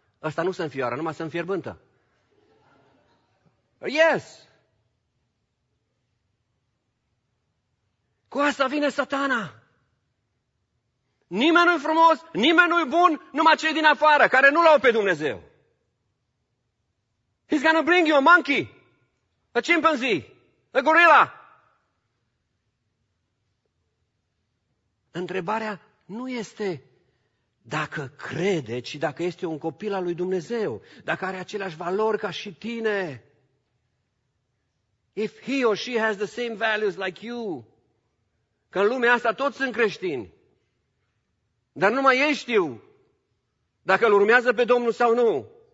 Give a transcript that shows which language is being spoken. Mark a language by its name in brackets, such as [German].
[Romanian] Ăsta nu se înfioară, numai se înfierbântă. [English] Yes. [Romanian] Cu asta vine satana. Nimeni nu-i frumos, nimeni nu-i bun, numai cei din afară, care nu-L au pe Dumnezeu. [English] He's gonna bring you a monkey, a chimpanzee, a gorilla. [Romanian] Întrebarea nu este dacă crede, ci dacă este un copil al lui Dumnezeu, dacă are aceleași valori ca și tine. [English] If he or she has the same values like you, [Romanian] că în lumea asta toți sunt creștini, dar numai ei știu dacă îl urmează pe Domnul sau nu.